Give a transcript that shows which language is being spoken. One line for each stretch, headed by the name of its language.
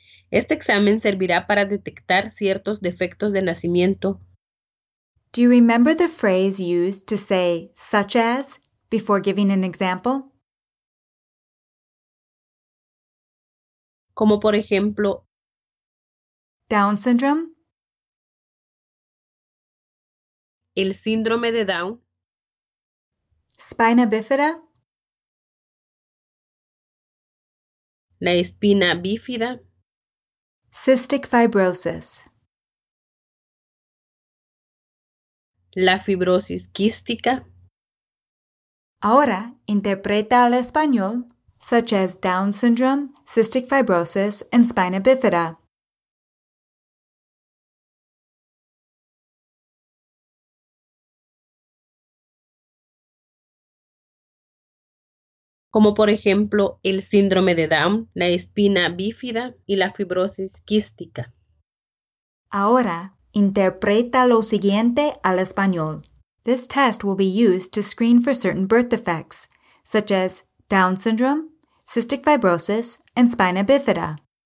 Spanish: Este examen servirá para detectar ciertos defectos de nacimiento.
English: Do you remember the phrase used to say such as before giving an example?
Spanish: Como por ejemplo,
English: Down syndrome,
Spanish: El síndrome de Down.
English: Spina bífida.
Spanish: La espina bífida.
English: Cystic fibrosis.
Spanish: La fibrosis quística. Ahora, interpreta al español,
English: such as Down syndrome, cystic fibrosis, and spina bífida.
Spanish: Como por ejemplo, el síndrome de Down, la espina bífida y la fibrosis quística. Ahora, interpreta lo siguiente al español.
English: This test will be used to screen for certain birth defects, such as Down syndrome, cystic fibrosis, and spina bífida.